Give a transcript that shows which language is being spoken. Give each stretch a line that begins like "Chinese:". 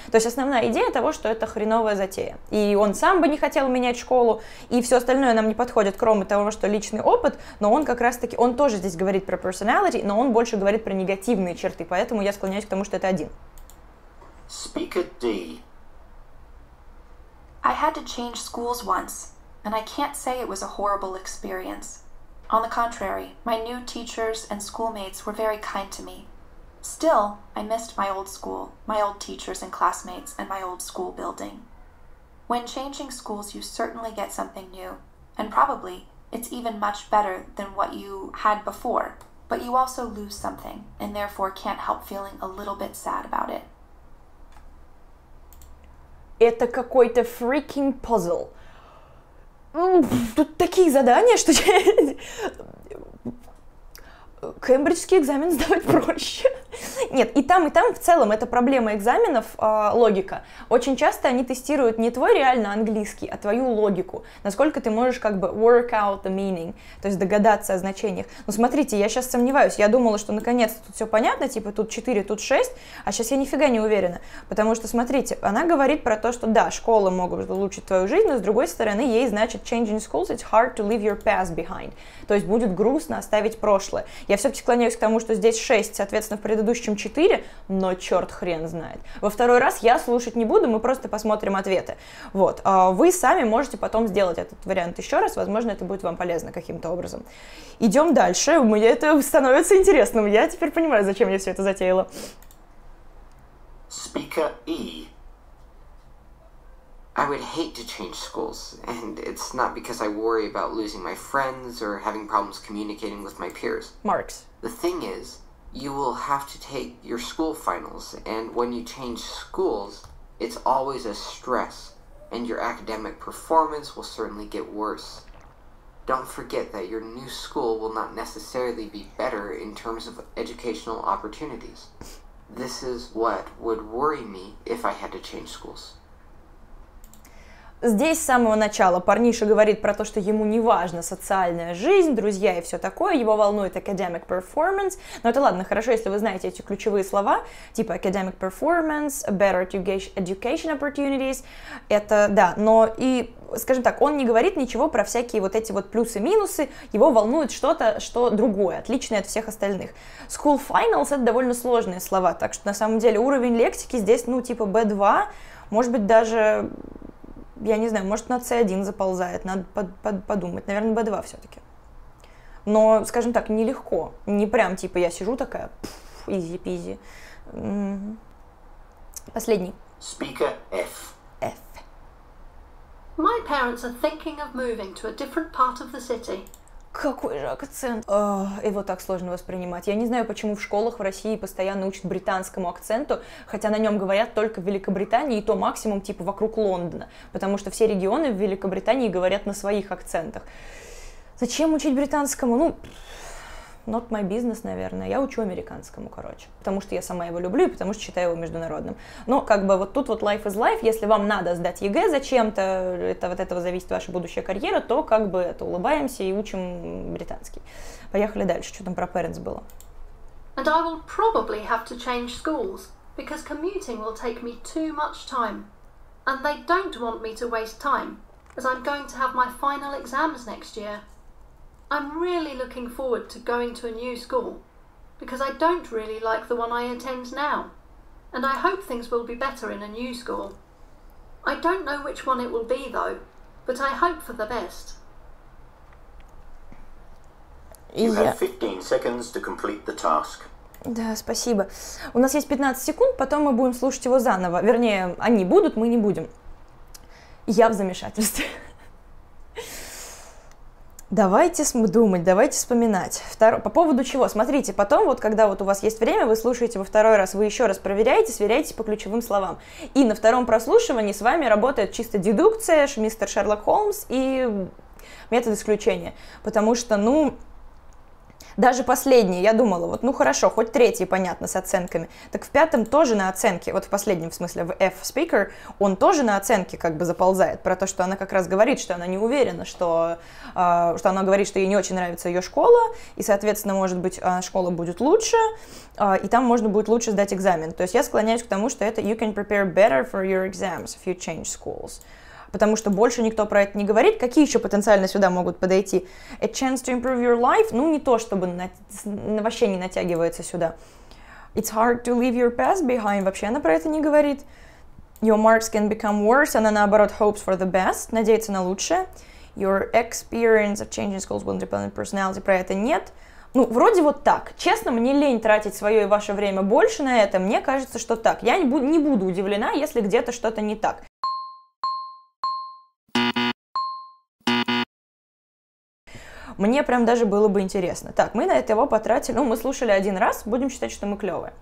Russian: То есть основная идея того, что это хреновая затея. И он сам бы не хотел менять школу, и все остальное нам не подходит, кроме того, что личный опыт, но он как раз-таки, он тоже здесь говорит про personality, но он больше говорит про негативные черты, поэтому я склоняюсь к тому, что это один.
English: Speaker D. I had to change schools once, and I can't say it was a horrible experience. On the contrary, my new teachers and schoolmates were very kind to me. Still, I missed my old school, my old teachers and classmates, and my old school building. When changing schools, you certainly get something new, and probably it's even much better than what you had before, but you also lose something, and therefore can't help feeling a little bit sad about it.
Russian: Это какой-то
English: freaking puzzle.
Russian: Тут такие задания, что кембриджский экзамен сдавать проще. Нет, и там в целом это проблема экзаменов, логика. Очень часто они тестируют не твой реально английский, а твою логику. Насколько ты можешь как бы
English: work out the meaning,
Russian: то есть догадаться о значениях. Ну смотрите, я сейчас сомневаюсь. Я думала, что наконец-то тут все понятно, типа тут 4, тут 6, а сейчас я нифига не уверена. Потому что смотрите, она говорит про то, что да, школа может улучшить твою жизнь, но с другой стороны, ей значит
English: changing schools, it's hard to leave your past behind.
Russian: То есть будет грустно оставить прошлое. Я все-таки склоняюсь к тому, что здесь 6, соответственно, в предыдущем 4, но черт хрен знает. Во второй раз я слушать не буду, мы просто посмотрим ответы. Вот, вы сами можете потом сделать этот вариант еще раз, возможно, это будет вам полезно каким-то образом. Идем дальше, мне это становится интересным, я теперь понимаю, зачем я все это затеяла.
English: Speaker E. I would hate to change schools, and it's not because I worry about losing my friends or having problems communicating with my peers. Marks. The thing is, you will have to take your school finals, and when you change schools, it's always a stress, and your academic performance will certainly get worse. Don't forget that your new school will not necessarily be better in terms of educational opportunities. This is what would worry me if I had to change schools.
Russian: Здесь с самого начала парниша говорит про то, что ему не важна социальная жизнь, друзья и все такое, его волнует
English: academic performance,
Russian: но это ладно, хорошо, если вы знаете эти ключевые слова, типа academic performance,
English: better education opportunities,
Russian: это да, но и, скажем так, он не говорит ничего про всякие вот эти вот плюсы-минусы, его волнует что-то, что другое, отличное от всех остальных.
English: School finals
Russian: — это довольно сложные слова, так что на самом деле уровень лексики здесь, ну, типа B2, может быть, даже... Я не знаю, может, на C1 заползает, надо подумать. Наверное, B2 все-таки. Но, скажем так, нелегко. Не прям, типа, я сижу такая, пфф, изи-пизи. Последний.
English: Speaker F. F. My parents are thinking of moving to a different part of the city.
Russian: Какой же акцент? Его так сложно воспринимать. Я не знаю, почему в школах в России постоянно учат британскому акценту, хотя на нем говорят только в Великобритании, и то максимум типа вокруг Лондона, потому что все регионы в Великобритании говорят на своих акцентах. Зачем учить британскому? Ну,
English: not my business,
Russian: наверное. Я учу американскому, короче. Потому что я сама его люблю и потому что считаю его международным. Но как бы вот тут вот
English: life is life.
Russian: Если вам надо сдать ЕГЭ зачем-то, это вот этого зависит ваша будущая карьера, то как бы это улыбаемся и учим британский. Поехали дальше. Что там про parents было?
English: And I will probably have to change schools, because commuting will take me too much time. And they don't want me to waste time, as I'm going to have my final exams next year. I'm really looking forward to going to a new school, because I don't really like the one I attend now, and I hope things will be better in a new school. I don't know which one it will be, though, but I hope for the best. You have 15 seconds to complete the task.
Russian: Да, спасибо. У нас есть 15 секунд, потом мы будем слушать его заново. Вернее, они будут, мы не будем. Я в замешательстве. Давайте думать, давайте вспоминать. По поводу чего? Смотрите, потом, вот когда вот у вас есть время, вы слушаете во второй раз, вы еще раз проверяете, сверяете по ключевым словам. И на втором прослушивании с вами работает чисто дедукция, мистер Шерлок Холмс и метод исключения. Потому что, ну, даже последнее, я думала, вот ну хорошо, хоть третье, понятно, с оценками. Так в пятом тоже на оценке, вот в последнем, в смысле, в F-speaker, он тоже на оценке как бы заползает. Про то, что она как раз говорит, что она не уверена, что она говорит, что ей не очень нравится ее школа, и, соответственно, может быть, школа будет лучше, и там можно будет лучше сдать экзамен. То есть я склоняюсь к тому, что это
English: you can prepare better for your exams if you change schools.
Russian: Потому что больше никто про это не говорит. Какие еще потенциально сюда могут подойти?
English: A chance to improve your life?
Russian: Ну, не то, чтобы вообще не натягивается сюда.
English: It's hard to leave your past behind.
Russian: Вообще она про это не говорит.
English: Your marks can become worse.
Russian: Она, наоборот,
English: hopes for the best.
Russian: Надеется на лучшее.
English: Your experience of changing schools will depend on personality.
Russian: Про это нет. Ну, вроде вот так. Честно, мне лень тратить свое и ваше время больше на это. Мне кажется, что так. Я не буду удивлена, если где-то что-то не так. Мне прям даже было бы интересно. Так, мы на это его потратили, ну, мы слушали один раз, будем считать, что мы клевые.